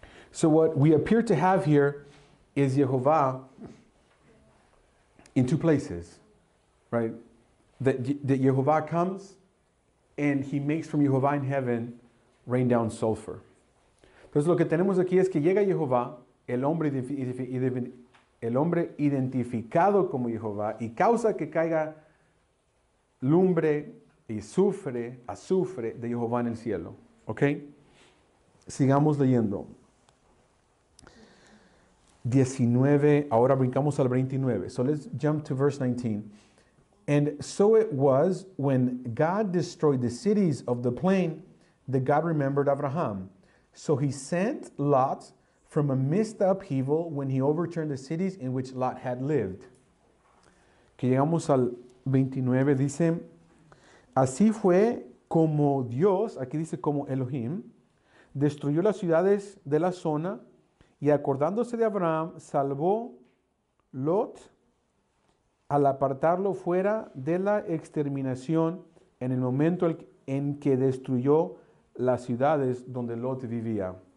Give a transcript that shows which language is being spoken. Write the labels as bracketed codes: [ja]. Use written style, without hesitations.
[en] So what we appear to have here is Yehovah in two places, right? That Yehovah comes and he makes from Yehovah in heaven rain down sulfur. [es] Entonces lo que tenemos aquí es que llega Yehovah, el hombre identificado como Yehovah, y causa que caiga lumbre y sufre, azufre de Jehová en el cielo. ¿Ok? Sigamos leyendo. 19, ahora brincamos al 29. [en] So let's jump to verse 19. And so it was when God destroyed the cities of the plain that God remembered Abraham. So he sent Lot from amidst the upheaval when he overturned the cities in which Lot had lived. [es] Que llegamos al 29, dice. Así fue como Dios, aquí dice como Elohim, destruyó las ciudades de la zona y acordándose de Abraham, salvó Lot al apartarlo fuera de la exterminación en el momento en que destruyó las ciudades donde Lot vivía.